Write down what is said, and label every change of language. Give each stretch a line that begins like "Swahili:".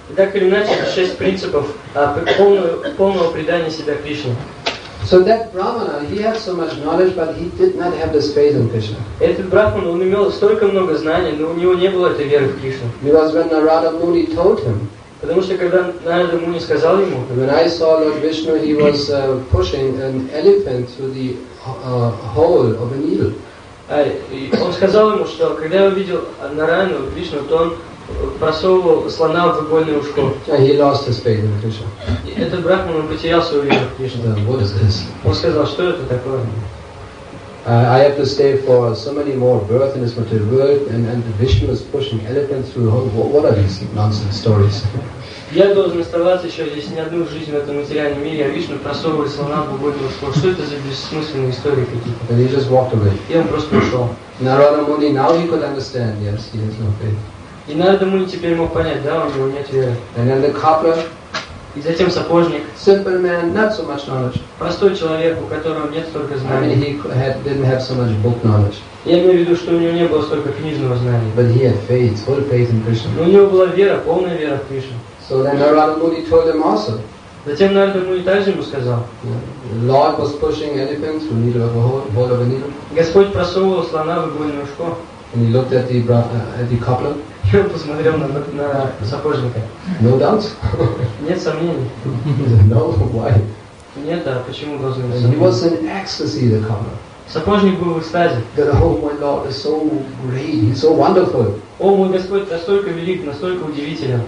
Russian: Так или иначе, шесть принципов полного предания себя Кришне.
English: So that Brahmana, he had so much knowledge, but he did not have this faith in Krishna.
Russian: Этот Брахман, он имел столько много знаний, но у него не было этой веры в Кришну.
English: Because when Narada Muni told him,
Russian: потому что когда Нарада Муни сказал ему,
English: when I saw Lord Vishnu, he was pushing an elephant through the hole of a needle.
Russian: Он сказал ему, что когда я увидел Нараяну Вишну, то он просовывал слона в двугольное ушко.
English: He lost his faith in Krishna.
Russian: Этот брахман потерял свою веру в Кришну.
English: What is this?
Russian: Он сказал, что это такое?
English: I have to stay for so many more births in this material world, and Vishnu is pushing elephants through the home. What are these nonsense stories?
Russian: Я должен оставаться еще здесь не одну жизнь в этом материальном мире, а Вишну просовывает слона в глубокий ушко. Что это за бессмысленные истории какие-то?
English: And he just walked away.
Russian: И он просто ушел.
English: Narada Muni, now he could understand. Yes, he has no faith.
Russian: И Narada Muni теперь мог понять, да, у него нет веры.
English: And then the cobbler.
Russian: И затем сапожник.
English: Simple man, not so much knowledge.
Russian: Простой человек, у которого нет столько знаний.
English: I mean, didn't have so much book knowledge.
Russian: Я имею в виду, что у него не было столько книжного знания.
English: But he had faith, full faith in Krishna.
Russian: Но у него была вера, полная вера в Кришну.
English: So then Narada Muni told him also.
Russian: Затем Narada Muni также ему сказал.
English: Lord was pushing elephants through needle of a hole of a needle.
Russian: Господь просовывал слона в игольное ушко.
English: And he looked at the cobbler.
Russian: И он посмотрел на сапожника.
English: No doubts?
Russian: Нет сомнений.
English: No, why?
Russian: Нет, а почему должен быть сомнений?
English: He was in ecstasy, the cobbler.
Russian: Сапожник был в экстазе.
English: That, oh my Lord, is so great, he's so wonderful.
Russian: О, мой Господь настолько велик, настолько удивителен.